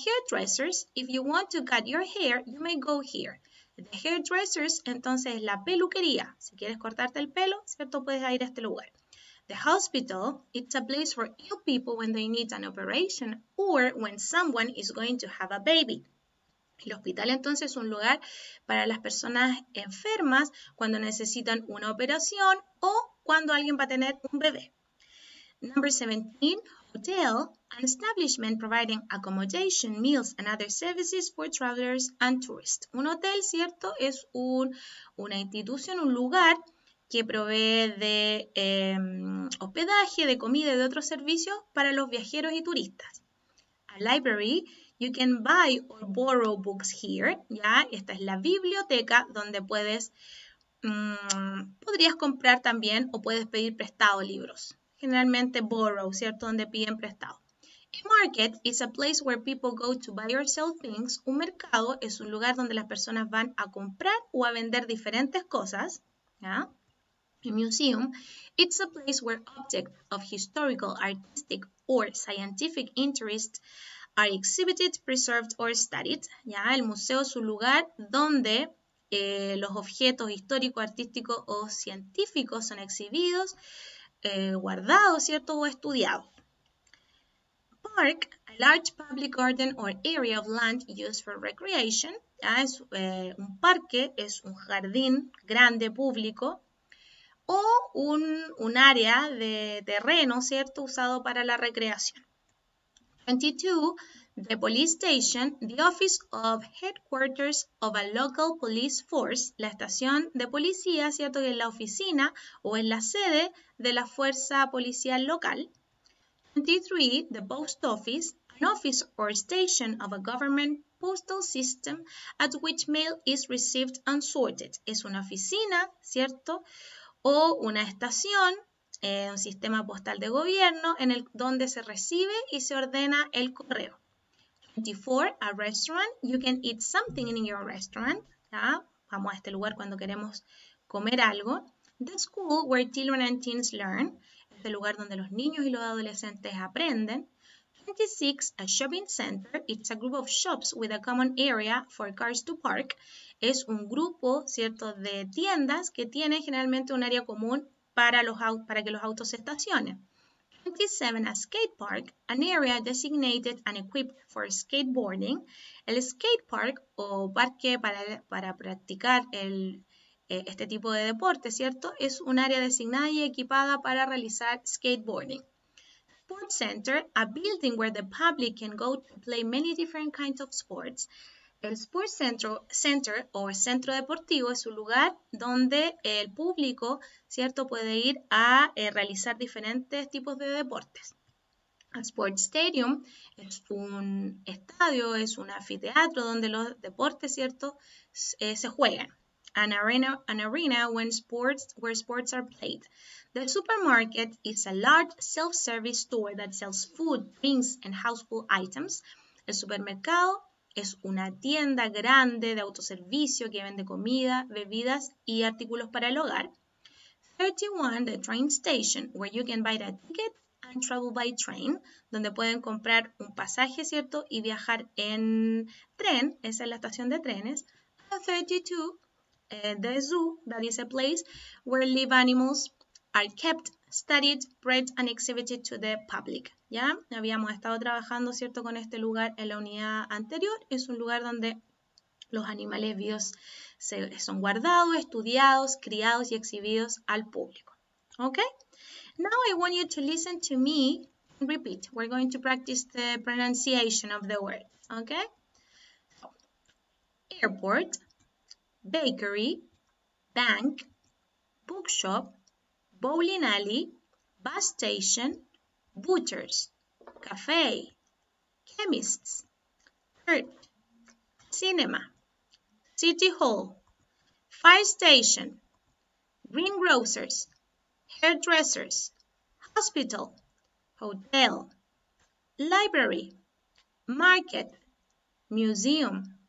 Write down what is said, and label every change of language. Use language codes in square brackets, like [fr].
[en] Hairdressers, if you want to cut your hair, you may go here. [es] The hairdressers, entonces la peluquería, si quieres cortarte el pelo, ¿cierto? Puedes ir a este lugar. [en] The hospital, it's a place for ill people when they need an operation or when someone is going to have a baby. [es] El hospital, entonces, es un lugar para las personas enfermas cuando necesitan una operación o cuando alguien va a tener un bebé. [en] Number 17, hotel, an establishment providing accommodation, meals and other services for travelers and tourists. [es] Un hotel, ¿cierto? Es una institución, un lugar que provee de hospedaje, de comida y de otros servicios para los viajeros y turistas. [en] A library, you can buy or borrow books here. [es] Ya, esta es la biblioteca donde podrías comprar también o puedes pedir prestado libros. Generalmente borrow, ¿cierto? Donde piden prestado. [en] A market is a place where people go to buy or sell things. [es] Un mercado es un lugar donde las personas van a comprar o a vender diferentes cosas, ¿ya? [en] A museum, it's a place where objects of historical, artistic, or scientific interest are exhibited, preserved, or studied. [es] Ya, el museo es un lugar donde los objetos históricos, artísticos o científicos son exhibidos, guardados, ¿cierto? O estudiados. [en] Park, a large public garden or area of land used for recreation. [es] Ya, es un parque, es un jardín grande público. O un área de terreno, ¿cierto?, usado para la recreación. [en] 22, the police station, the office of headquarters of a local police force, [es] la estación de policía, ¿cierto?, que es la oficina o es la sede de la fuerza policial local. [en] 23, the post office, an office or station of a government postal system at which mail is received and sorted. [es] Es una oficina, ¿cierto?, o una estación, un sistema postal de gobierno, en el donde se recibe y se ordena el correo. [en] 24, a restaurant. You can eat something in your restaurant. ¿Ya? [es] Vamos a este lugar cuando queremos comer algo. [en] The school where children and teens learn. [es] Es el lugar donde los niños y los adolescentes aprenden. [en] 26, a shopping center. It's a group of shops with a common area for cars to park. [es] Es un grupo, ¿cierto?, de tiendas que tiene generalmente un área común para que los autos se estacionen. [en] 7, a skate park, an area designated and equipped for skateboarding. [es] El skate park o parque para practicar este tipo de deporte, ¿cierto? Es un área designada y equipada para realizar skateboarding. [en] Sports center, a building where the public can go to play many different kinds of sports. [es] El sports center o centro deportivo es un lugar donde el público, ¿cierto? Puede ir a realizar diferentes tipos de deportes. A sports stadium es un estadio, es un anfiteatro donde los deportes, ¿cierto? Se juegan. [en] An arena where sports are played. The supermarket is a large self-service store that sells food, drinks, and household items. [es] El supermercado es una tienda grande de autoservicio que vende comida, bebidas y artículos para el hogar. [en] 31, the train station, where you can buy a ticket and travel by train, [es] donde pueden comprar un pasaje, ¿cierto? Y viajar en tren, esa es la estación de trenes. [en] And 32, the zoo, that is a place where live animals are kept, studied, bred, and exhibited to the public. [es] Ya habíamos estado trabajando, ¿cierto?, con este lugar en la unidad anterior. Es un lugar donde los animales vivos son guardados, estudiados, criados y exhibidos al público. [en] Okay? Now I want you to listen to me and repeat. We're going to practice the pronunciation of the word. Okay? Airport, bakery, bank, bookshop, bowling alley, bus station, butchers, cafe, chemists, church, cinema, city hall, fire station, greengrocers, hairdressers, hospital, hotel, library, market, museum,